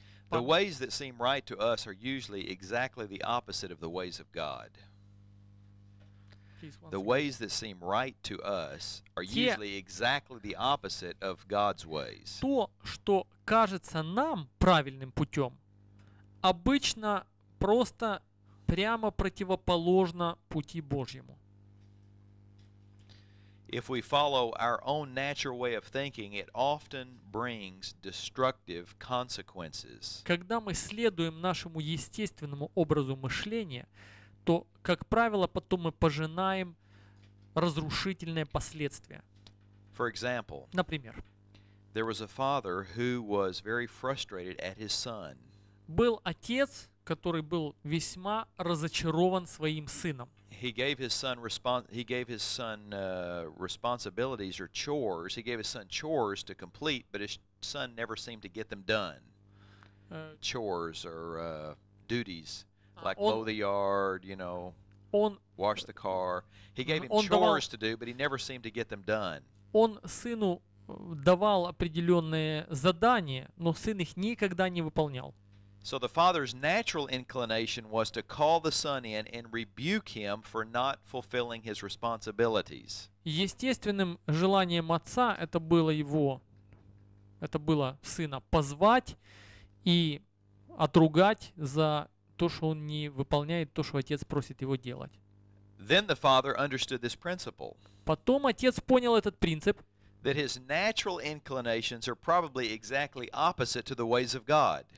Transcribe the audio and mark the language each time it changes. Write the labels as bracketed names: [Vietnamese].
[English] The ways that seem right to us are usually exactly the opposite of the ways of God. The ways that seem right to us are usually exactly the opposite of God's ways. [Russian] То, что кажется нам правильным путем, обычно просто прямо противоположно пути Божьему. [English] If we follow our own natural way of thinking, it often brings destructive consequences. [Russian] Когда мы следуем нашему естественному образу мышления, то, как правило, потом мы пожинаем разрушительные последствия. [English] For example, [Russian] например, [English] there was a father who was very frustrated at his son. [Russian] Был отец, который был весьма разочарован своим сыном. [English] He gave his son responsibilities or chores. He gave his son chores to complete, but his son never seemed to get them done. Chores or duties. Like mow the yard, you know, wash the car. He gave him chores to do, but he never seemed to get them done. [Russian] Он сыну давал определенные задания, но сын их никогда не выполнял. [English] So the father's natural inclination was to call the son in and rebuke him for not fulfilling his responsibilities. [Russian] Естественным желанием отца это было сына позвать и отругать за то, что он не выполняет то, что отец просит его делать. [English] Then the father understood this principle. [Russian] Потом отец понял этот принцип. [English] That his natural inclinations are probably exactly opposite to the ways of God.